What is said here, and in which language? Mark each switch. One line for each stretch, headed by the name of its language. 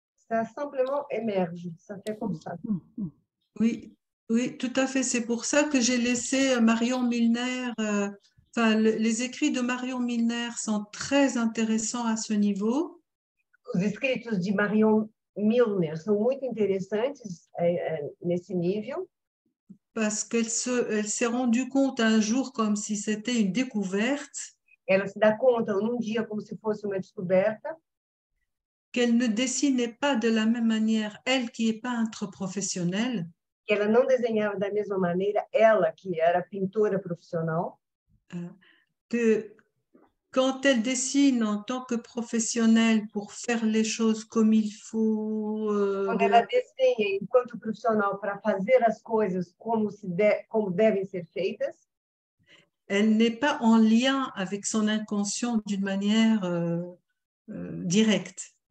French: Ça simplement émerge, ça fait comme ça. Oui, oui, tout à fait. C'est pour ça que j'ai laissé Marion Milner... Enfin, les écrits de Marion Milner sont très intéressants à ce niveau.
Portuguese: Os escritos de Marion Milner são muito interessantes nesse nível.
French: Parce qu'elle s'est rendue compte un jour comme si c'était une découverte.
Portuguese: Ela se dá conta num dia como se fosse uma descoberta.
French: Qu'elle ne dessinait pas de la même manière, elle qui est peintre professionnelle.
Portuguese: Que ela não desenhava da mesma maneira, ela que era pintora profissional.
French: Que quand elle dessine en tant que professionnelle pour faire les choses comme il faut, quand elle dessine en tant que professionnelle pour faire les choses comme doivent être faites, elle n'est pas en lien avec son inconscient d'une manière directe.